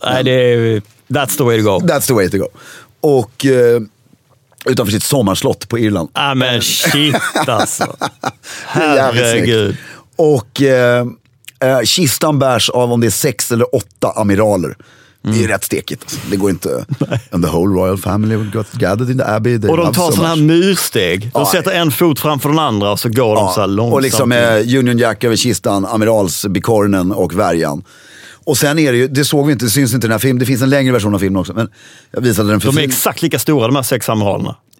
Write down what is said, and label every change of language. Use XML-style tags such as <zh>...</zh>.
<sv>Nej, det är...</sv> <en>That's the way to go. That's the way to go.</en> <sv>Och utanför sitt sommarslott på Irland. Ah, men shit alltså. Herregud. Och kistan bärs av om det är 6 eller 8 amiraler. Mm. Det är rätt stekigt. Det går inte.</sv> <en>And the whole royal family got gathered in the abbey. They</en> <sv>och de tar sådana här myrsteg. De sätter en fot framför den andra och så går de så här långsamt. Och liksom Union Jack över kistan, amiralsbikornen och värjan. Och sen är det ju, det såg vi inte, det syns inte i den här filmen. Det finns en längre version av filmen också. Men jag visade den för de är exakt lika stora, de här 6 amiralerna.</sv>